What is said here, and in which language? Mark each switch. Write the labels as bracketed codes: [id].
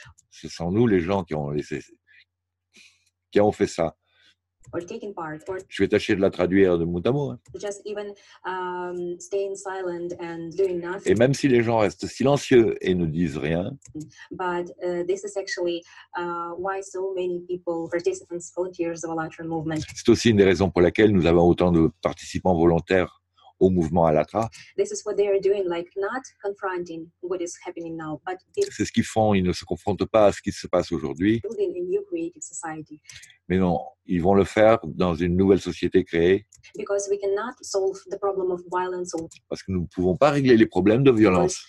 [fr] Ce sont nous les gens qui ont fait ça. [en] or taking part, or [fr] je vais tâcher de la traduire de mot à mot. Hein. [en] Just even, staying silent and doing nothing. [fr] Et même si les gens restent silencieux et ne disent rien, [en] but this is actually why so many people, participants, volunteers of Alatra movement. [fr] C'est aussi une des raisons pour laquelle nous avons autant de participants volontaires au mouvement Alatra. [en] This is what they are doing, like not confronting what is happening now, but [fr] c'est ce qu'ils font. Ils ne se confrontent pas à ce qui se passe aujourd'hui. [en] Building a new creative society. [fr] Mais non, ils vont le faire dans une nouvelle société créée. [en] Because we cannot solve the problem of violence. [fr] Parce que nous ne pouvons pas régler les problèmes de violence.